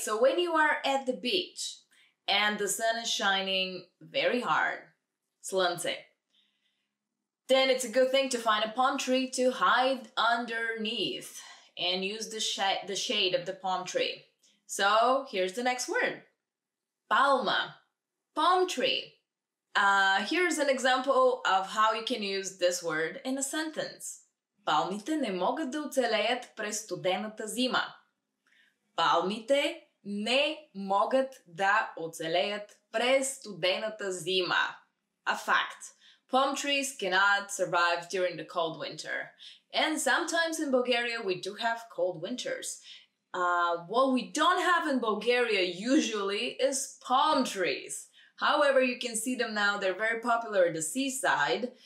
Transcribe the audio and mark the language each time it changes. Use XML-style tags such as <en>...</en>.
<en>So when you are at the beach and the sun is shining very hard, slanted, then it's a good thing to find a palm tree to hide underneath and use the shade of the palm tree. So here's the next word. Palma. Palm tree. Here's an example of how you can use this word in a sentence.</en> <bg>Палмите не могат да оцелеят през студената зима. Палмите не могат да оцелеят през студената зима.</bg> <en>A fact. Palm trees cannot survive during the cold winter. And sometimes in Bulgaria we do have cold winters. What we don't have in Bulgaria usually is palm trees. However, you can see them now. They're very popular at the seaside.</en>